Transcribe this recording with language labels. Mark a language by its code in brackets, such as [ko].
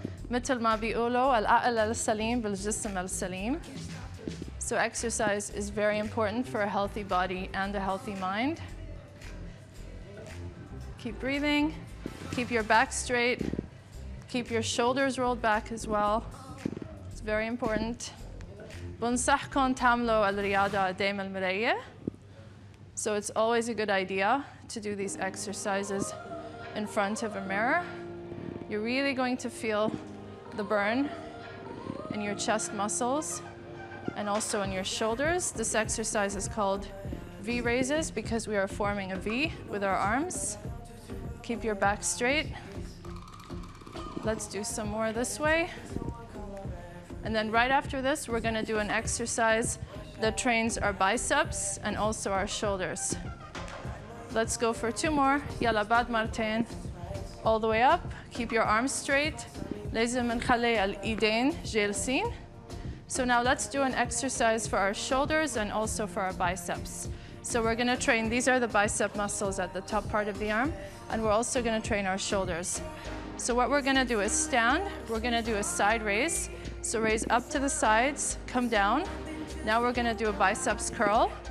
[ar] مثل ما بيقولوا العقل السليم بالجسم السليم. [en] So exercise is very important for a healthy body and a healthy mind. Keep breathing. Keep your back straight. Keep your shoulders rolled back as well. It's very important. [ar] بنصحكم تعملوا الرياضة قدام المراية. [en] So it's always a good idea to do these exercises in front of a mirror. You're really going to feel the burn in your chest muscles and also in your shoulders. This exercise is called V raises because we are forming a V with our arms. Keep your back straight. Let's do some more this way. And then right after this, we're gonna do an exercise that trains our biceps and also our shoulders. Let's go for two more. [ar] Yalla bad martin. [en] All the way up. Keep your arms straight. [ar] لازم نخلي الإيدين جالسين. [en] So now let's do an exercise for our shoulders and also for our biceps. So we're gonna train, these are the bicep muscles at the top part of the arm, and we're also gonna train our shoulders. So what we're gonna do is stand, we're gonna do a side raise. So raise up to the sides, come down. Now we're gonna do a biceps curl.